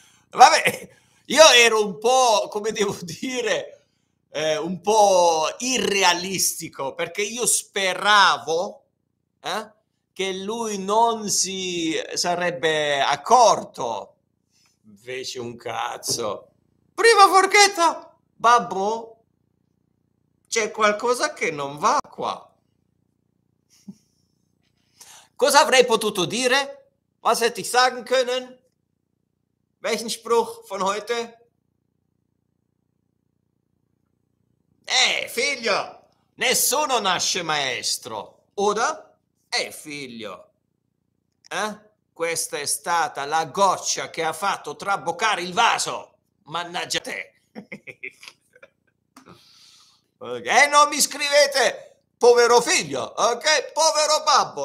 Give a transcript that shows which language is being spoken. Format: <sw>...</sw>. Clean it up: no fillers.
<it>Vabbè, io ero un po', come devo dire, un po' irrealistico, perché io speravo che lui non si sarebbe accorto. Invece un cazzo. Prima forchetta, babbo, c'è qualcosa che non va qua. Cosa avrei potuto dire?</it> <de>Was hätte ich sagen können? Welchen Spruch von heute?</de> <it>Figlio, nessuno nasce maestro, oder? Figlio, questa è stata la goccia che ha fatto traboccare il vaso. Mannaggia te! E non mi scrivete povero figlio, ok? Povero babbo!</it>